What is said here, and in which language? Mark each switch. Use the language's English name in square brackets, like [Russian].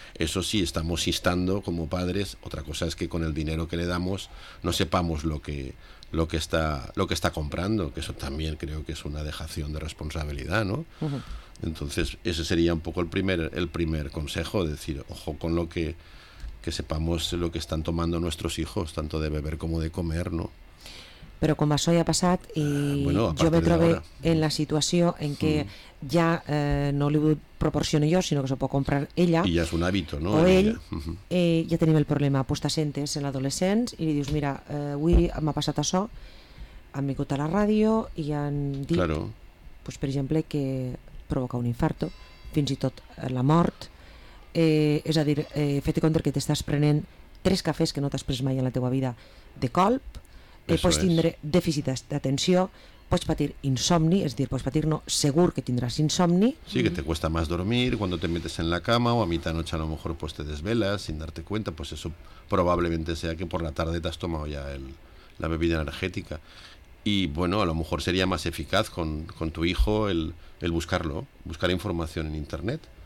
[Spanish] Eso sí, estamos instando como padres. Otra cosa es que con el dinero que le damos no sepamos lo que está comprando, que eso también creo que es una dejación de responsabilidad, ¿no? Entonces, ese sería un poco el primer consejo, decir, ojo con lo que sepamos lo que están tomando nuestros hijos, tanto de beber como de comer, ¿no? [Catalan] Però com això ja ha passat i jo me trobo en la situació en què ja no li proporciono jo, sinó que s'ho pot comprar ella. I ja és un hàbito, no? O ell, ja tenim el problema, pues te sentes en l'adolescent i li dius, mira, avui m'ha passat això, han vingut a la ràdio i han dit, [Spanish] claro, [Catalan] pues, per exemple, que provoca un infarto, fins i tot la mort. És a dir, fet i compte que t'estàs prenent tres cafès que no t'has pres mai en la teva vida de colp, pots tindre dèficit d'atenció, pots patir insomni, és a dir, pots patir, no, segur que tindràs insomni. [Spanish] Sí, que te cuesta más dormir cuando te metes en la cama o a mitad noche a lo mejor pues te desvelas sin darte cuenta, pues eso probablemente sea que por la tarde te has tomado ya la bebida energética. Y bueno, a lo mejor sería más eficaz con tu hijo el buscarlo, buscar información en internet.